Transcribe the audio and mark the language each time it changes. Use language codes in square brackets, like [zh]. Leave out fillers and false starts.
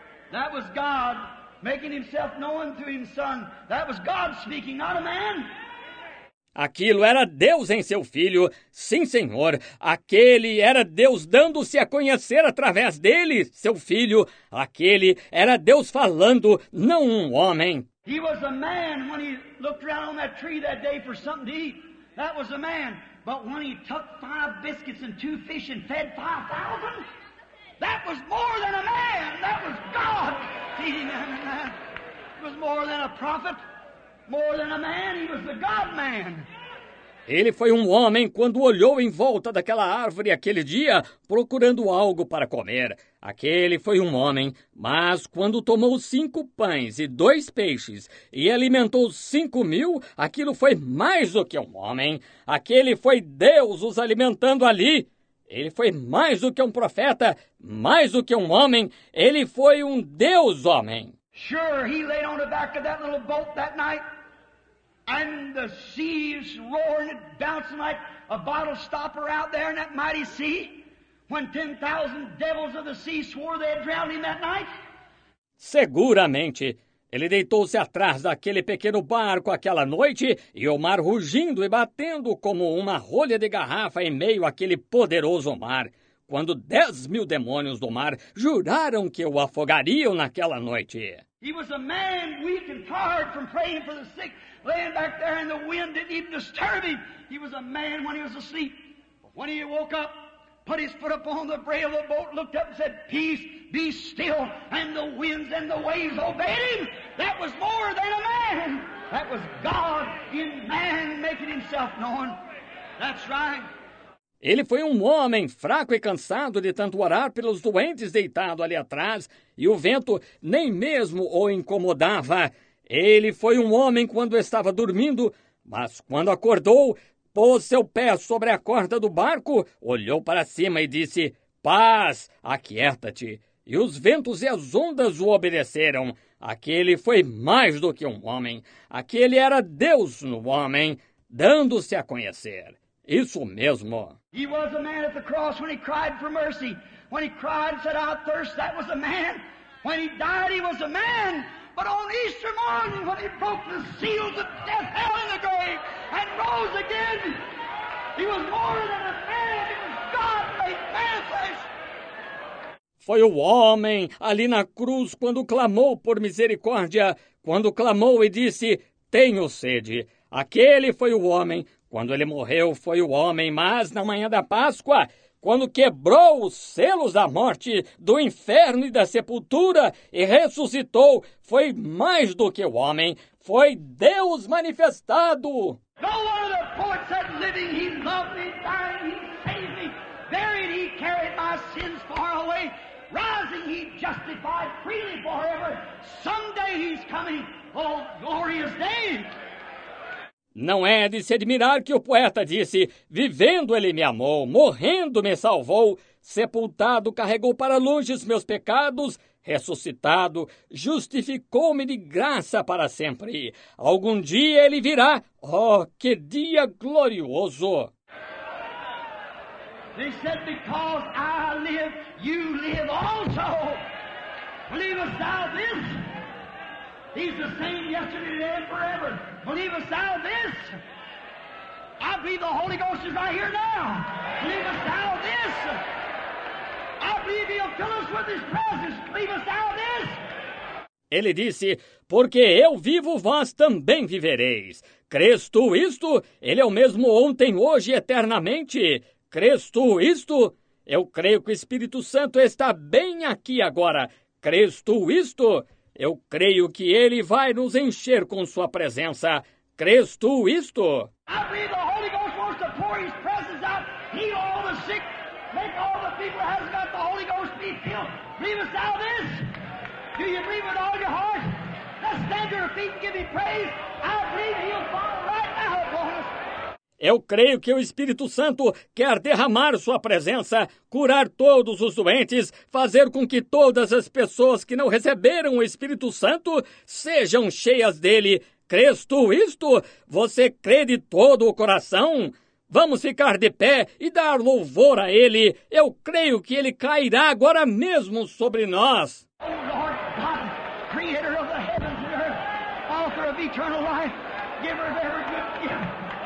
[en] That was God making himself known to his son. That was God speaking, not a man. [pt] Aquilo era Deus em seu filho. Sim, senhor. Aquele era Deus dando-se a conhecer através dele, seu filho. Aquele era Deus falando, não um homem. [en] He was a man when he looked around on that tree that day for something to eat. That was a man. But when he took 5 biscuits and 2 fish and fed 5,000, that was more than a man. That was God feeding that man. It was more than a prophet. More than a man, he was the God man. [pt] Ele foi um homem quando olhou em volta daquela árvore aquele dia, procurando algo para comer. Aquele foi um homem, mas quando tomou 5 pães e 2 peixes e alimentou 5.000, aquilo foi mais do que um homem. Aquele foi Deus os alimentando ali. Ele foi mais do que um profeta, mais do que um homem, ele foi um Deus homem. [en] Sure, he laid on the back of that little boat that night, and the seas roaring and bouncing like a bottle stopper out there in that mighty sea, when 10,000 devils of the sea swore they had drowned him that night. [pt] Seguramente, ele deitou-se atrás daquele pequeno barco aquela noite e o mar rugindo e batendo como uma rolha de garrafa em meio àquele poderoso mar, quando 10,000 demônios do mar juraram que o afogariam naquela noite. [en] He was a man weak and tired from praying for the sick, laying back there and the wind didn't even disturb him. He was a man when he was asleep. But when he woke up, put his foot upon the rail of the boat, looked up and said, "Peace, be still," and the winds and the waves obeyed him. That was more than a man. That was God in man making himself known. That's right. [pt] Ele foi um homem fraco e cansado de tanto orar pelos doentes deitado ali atrás, e o vento nem mesmo o incomodava. Ele foi um homem quando estava dormindo, mas quando acordou, pôs seu pé sobre a corda do barco, olhou para cima e disse, "Paz, aquieta-te." E os ventos e as ondas o obedeceram. Aquele foi mais do que um homem. Aquele era Deus no homem, dando-se a conhecer. Isso mesmo. [en] He was a man at the cross when he cried for mercy. When he cried and said, "I thirst," that was a man. When he died, he was a man. But on Easter morning, when he broke the seals of death, hell, and the grave, and rose again, he was more than a man. He was God made manifest. [pt] Foi o homem ali na cruz quando clamou por misericórdia, quando clamou e disse, "Tenho sede." Aquele foi o homem. Quando ele morreu, foi o homem, mas na manhã da Páscoa, quando quebrou os selos da morte, do inferno e da sepultura e ressuscitou, foi mais do que o homem, foi Deus manifestado. [en] No other poet said, "Living, he loved me, dying, he saved me, buried, he carried my sins far away, rising, he justified freely forever, someday he's coming, oh glorious day." [pt] Não é de se admirar que o poeta disse, "Vivendo ele me amou, morrendo me salvou, sepultado carregou para longe os meus pecados, ressuscitado justificou-me de graça para sempre. Algum dia ele virá, oh, que dia glorioso!" [en] They said, "Because I live, you live also. Believest thou this? He's the same yesterday, today, and forever. Believest thou this? I believe the Holy Ghost is right here now. Believest thou this? I believe he'll fill us with his presence. Believest thou this?" [pt] Ele disse, "Porque eu vivo, vós também vivereis. Crês tu isto? Ele é o mesmo ontem, hoje e eternamente. Crês tu isto? Eu creio que o Espírito Santo está bem aqui agora. Crês tu isto? Eu creio que ele vai nos encher com sua presença. Crês tu isto?" [en] I believe the Holy Ghost wants to pour his presence out, heal all the sick, make all the people that hasn't got the Holy Ghost be healed. Believest thou this? Do you believe with all your heart? Let's stand to your feet and give me praise. I believe he'll fall right now upon us. [pt] Eu creio que o Espírito Santo quer derramar sua presença, curar todos os doentes, fazer com que todas as pessoas que não receberam o Espírito Santo sejam cheias dele. Crês tu isto? Você crê de todo o coração? Vamos ficar de pé e dar louvor a ele. Eu creio que ele cairá agora mesmo sobre nós. [en] Oh, Lord God, Creator of the heavens and earth, Author of eternal life, Giver of every good gift.